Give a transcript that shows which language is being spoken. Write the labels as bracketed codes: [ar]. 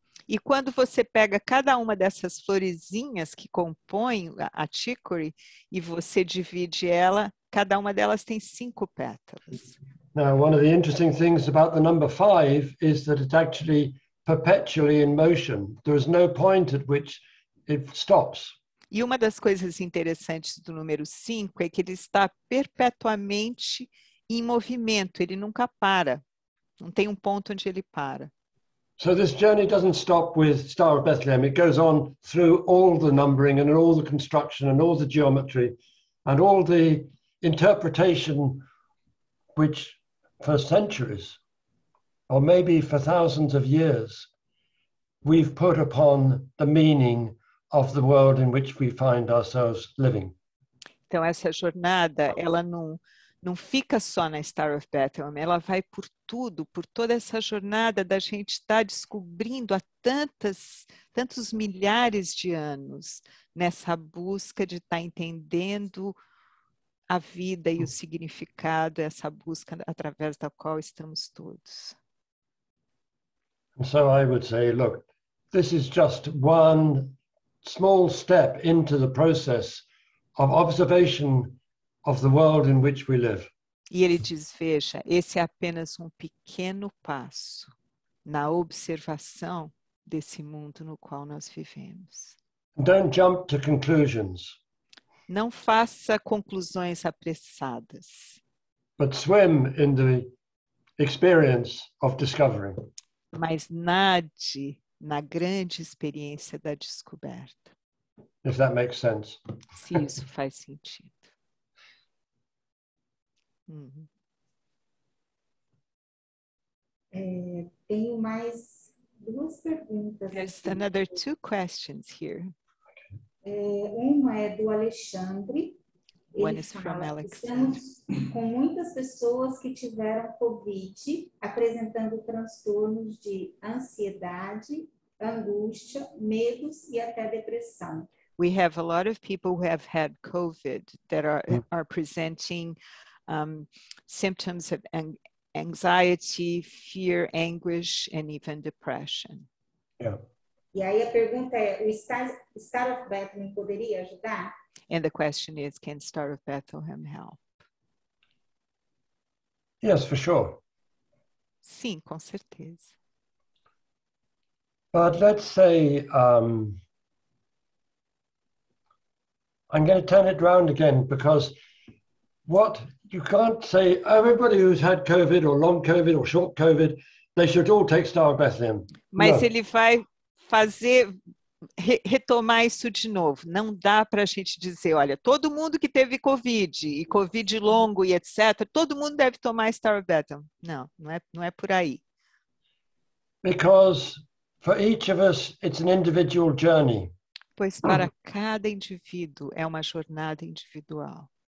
[pt] E quando você pega cada uma dessas florezinhas que compõem a chicory e você divide ela, cada uma delas tem 5 pétalas. [en] Now, one of the interesting things about the number 5 is that it's actually perpetually in motion. There is no point at which it stops. [pt] E uma das coisas interessantes do número 5 é que ele está perpetuamente em movimento, ele nunca para. Não tem um ponto onde ele para. [en] So this journey doesn't stop with Star of Bethlehem. It goes on through all the numbering and all the construction and all the geometry and all the interpretation which for centuries or maybe for thousands of years we've put upon the meaning of the world in which we find ourselves living. [pt] Então essa jornada, ela não fica só na Star of Bethlehem, ela vai por tudo, por toda essa jornada da gente estar descobrindo há tantos milhares de anos nessa busca de estar entendendo a vida e o significado, essa busca através da qual estamos todos. [en] So I would say, look, this is just one small step into the process of observation of the world in which we live. [pt] E ele diz, veja, esse é apenas um pequeno passo na observação desse mundo no qual nós vivemos. [en] Don't jump to conclusions. [pt] Não faça conclusões apressadas. [en] But swim in the experience of discovering. [pt] Mas nade na grande experiência da descoberta. [en] If that makes sense. [pt] Se isso faz sentido. Tenho mais duas perguntas. [en] There's aqui. Another two questions here. [pt] Uma é do Alexandre. [en] One is from Alex. [pt] Estamos com muitas pessoas que tiveram COVID apresentando transtornos de ansiedade, angústia, medos e até depressão. [en] We have a lot of people who have had COVID that are presenting symptoms of anxiety, fear, anguish, and even depression. Yeah. [pt] E aí a pergunta é, o Star of Bethlehem poderia ajudar? [en] And the question is, can Star of Bethlehem help? Yes, for sure. [pt] Sim, com certeza. [en] But let's say, I'm going to turn it around again, because what you can't say, everybody who's had COVID or long COVID or short COVID, they should all take Star of Bethlehem. [pt] Mas no. Ele vai fazer, retomar isso de novo. Não dá para a gente dizer, olha, todo mundo que teve COVID e COVID longo e etc., todo mundo deve tomar Star of Bethlehem. Não, não é por aí. [en] Because for each of us, it's an individual journey. [pt] Pois para cada indivíduo é uma jornada individual.